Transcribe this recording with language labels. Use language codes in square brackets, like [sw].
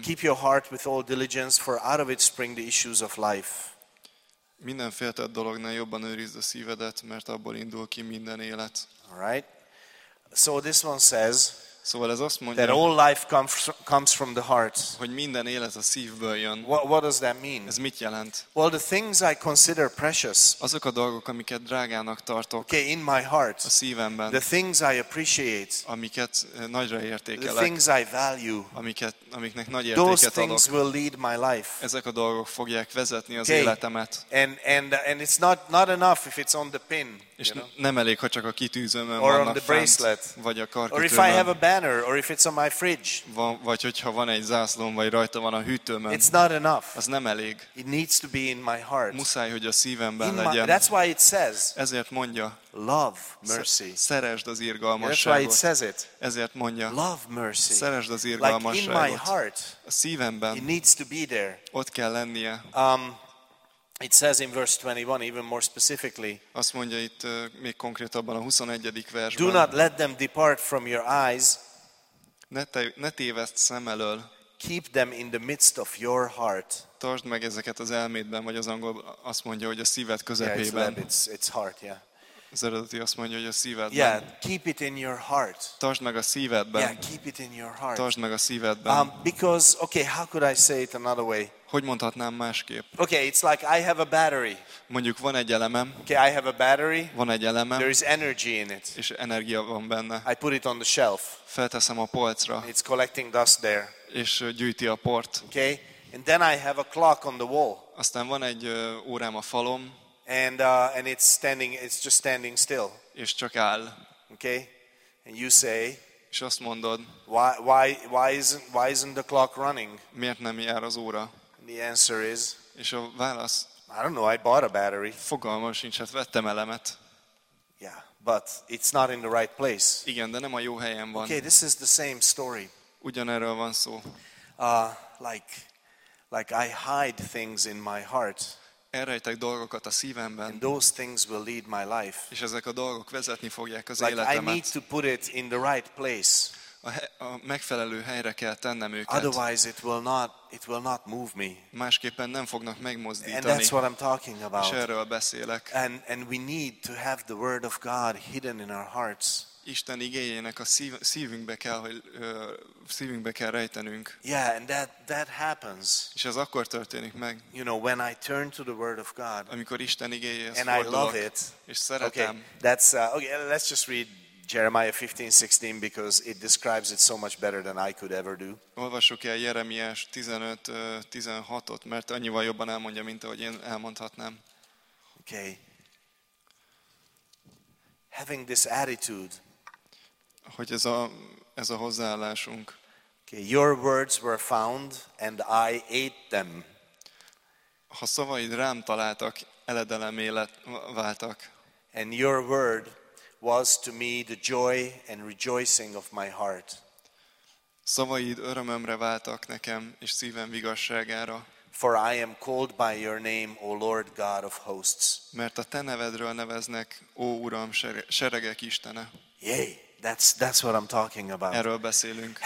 [en] Keep your heart with all diligence, for out of it spring the issues of life. [hu] Minden féltett dolognál jobban őrizd a szívedet, mert abból indul ki minden élet. [en] All right. So this one says. [hu] Szóval ez azt mondja, [en] that all life comes from the heart. [hu] Hogy minden élet a szívből jön. [en] What does that mean? [hu] Ez mit jelent? [en] Well, the things I consider precious. [hu] Azok a dolgok, amiket drágának tartok. [en] Okay, in my heart. [hu] A szívemben. [en] The things I appreciate. [hu] Amiket nagyra értékelek. [en] The things I value. [hu] Amiknek nagy értéket [en] those [hu] adok. [en] Those things will lead my life. [hu] Ezek a dolgok fogják vezetni az életemet. [en] And it's not enough if it's on the pin. [hu] És nem elég, ha csak a kitűzőmön vannak fent, vagy a karkötőmön. [en] Or if I have a banner, or if it's on my fridge. [hu] Vagy hogyha van egy zászlóm, vagy rajta van a hűtőmön. [en] It's not enough. [hu] Az nem elég. [en] It needs to be in my heart. [hu] Muszáj, hogy a szívemben legyen. [en] That's why it says. [hu] Ezért mondja. [en] Love mercy. [hu] Szeresd az irgalmasságot. [en] That's why it says it. [hu] Ezért mondja. [en] Love mercy. [hu] Szeresd az irgalmasságot. [en] Like in my heart. [hu] A szívemben. [en] It needs to be there. [hu] Ott kell lennie. [en] It says in verse 21, even more specifically. [hu] Azt mondja itt még konkrétabban a 21. versben. [en] Do not let them depart from your eyes. [hu] Ne téveszt szem elől. [en] Keep them in the midst of your heart. [hu] Tartsd meg ezeket az elmédben, vagy az angol azt mondja, hogy a szíved közepében. [en] Yeah, it's heart, yeah. [hu] Az eredeti azt mondja, hogy a szívedben. [en] Yeah, keep it in your heart. [hu] Tartsd meg a szívedben. [en] Yeah, keep it in your heart. [hu] Tartsd meg a szívedben. [en] Because, okay, how could I say it another way? [hu] Hogy mondhatnám másképp? [en] Okay, it's like I have a battery. [hu] Mondjuk van egy elemem. [en] Okay, I have a battery. [hu] Van egy elemem. [en] There is energy in it. [hu] És energia van benne. [en] I put it on the shelf. [hu] Felteszem a polcra. [en] It's collecting dust there. [hu] És gyűjti a port. [en] Okay, and then I have a clock on the wall. [hu] Aztán van egy órám a falom. [en] And it's just standing still. [hu] És csak áll. [en] Okay? And you say, [hu] és azt mondod, [en] why isn't the clock running? [hu] Miért nem jár az óra? [en] And the answer is, [hu] és a válasz, [en] I don't know, I bought a battery. [hu] Fogalmam sincs, hát vettem elemet. [en] Yeah, but it's not in the right place. [hu] Igen, de nem a jó helyen van. [en] Okay, this is the same story. [hu] Ugyanerről van szó. [en] Like I hide things in my heart. [hu] Elrejtek dolgokat a szívemben. [en] And those things will lead my life. [hu] És ezek a dolgok vezetni fogják az [en] like [hu] életemet. [en] I need to put it in the right place. [hu] A megfelelő helyre kell tennem őket. [en] Otherwise it will not move me. [hu] Másképpen nem fognak megmozdítani. [en] And that's what I'm talking about. [hu] És erről beszélek. [en] And we need to have the word of God hidden in our hearts. [hu] Isten igényének a szívünkbe kell, hogy szívünkbe kell rejtenünk. [en] Yeah, and that happens. [hu] És ez akkor történik meg. [en] You know, when I turn to the word of God. [hu] Amikor Isten igényéhez fordulok. [en] And I love it. [hu] És szeretem. [en] Okay, that's okay, let's just read Jeremiah 15:16 because it describes it so much better than I could ever do. [hu] Olvassuk el Jeremiás 15:16-ot, mert annyival jobban elmondja, mint ahogy én elmondhatnám. [en] Okay. Having this attitude. [hu] Hogy ez a hozzáállásunk. [en] Okay, your words were found and I ate them. [hu] Ha szavaid rám találtak, eledelemmé váltak. [en] And your word was to me the joy and rejoicing of my heart. [hu] Szavaid örömömre váltak nekem és szívem vigasságára. [en] For I am called by your name, O Lord God of hosts. [hu] Mert a te nevedről neveznek, ó Uram, seregek Istene. [en] Yay, that's what I'm talking about. [hu] Erről beszélünk.